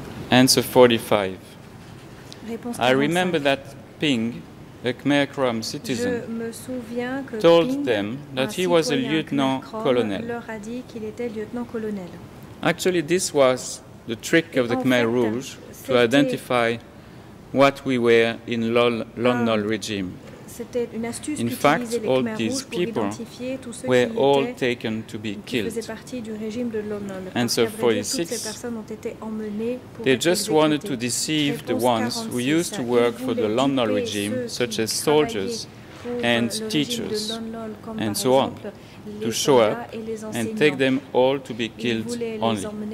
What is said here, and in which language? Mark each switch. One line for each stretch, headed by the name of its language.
English: Answer 45. I remember that Ping, a Khmer Krom citizen, told them that he was a lieutenant colonel. Actually, this was the trick of the Khmer Rouge to identify what we were in l'ONOL regime.
French: C'était une astuce qu'utilisaient les Khmer Rouges pour identifier tous ceux qui faisaient partie du régime de l'Homme Non. Et sur 46, toutes ces personnes ont été emmenées pour
English: they just wanted to deceive the ones who used to work for the Lon Nol regime, such as soldiers and teachers, and so on, to show up and take them all to be killed only.